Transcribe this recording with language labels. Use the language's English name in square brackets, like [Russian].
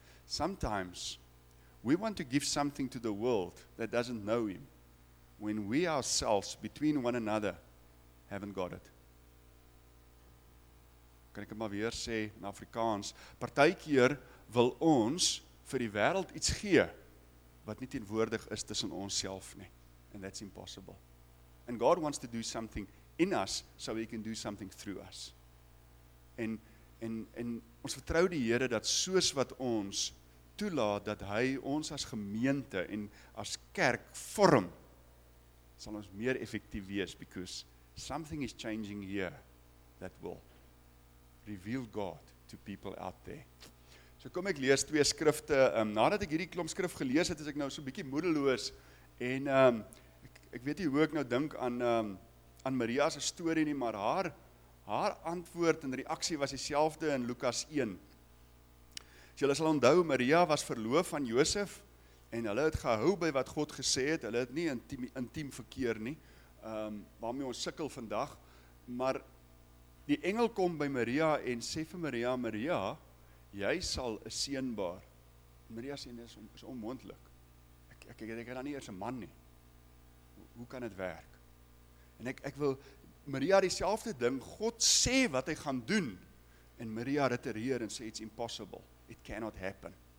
[English] Sometimes we want to give something to the world that doesn't know him, when we ourselves between one another haven't got it. [Afrikaans] Kan ek maar weer sê in Afrikaans, partykeer wil ons vir die wêreld iets gee wat nie teenwoordig is tussen ons self nie. [English] And that's impossible. And God wants to do something in us so he can do something through us. [Afrikaans] En ons vertrou die Here dat soos wat ons toelaat dat hy ons as gemeente en as kerk vorm, sal ons meer effektief wees, because something is changing here that will reveal God to people out there. So kom ek lees 2 skrifte. Nadat ek hierdie klomp skrif gelees het, is ek nou so 'n bietjie moedeloos en ek weet nie hoe ek nou dink aan Maria se storie nie, maar haar antwoord en reaksie was dieselfde in Lukas 1. So julle sal onthou, Maria was verloof van Josef en hulle het gehou by wat God gesê het. Hulle het nie intiem verkeer nie. Waarmee ons sukkel vandag, maar die engel kom by Maria en sê vir Maria, Maria, jy sal 'n seun baar. Maria sê, dit is onmoontlik. Ek het dan nie eers 'n man nie. Hoe kan dit werk? En ek wil Maria dieselfde ding, God sê wat hy gaan doen, en Maria retireer en sê it's impossible, it cannot happen.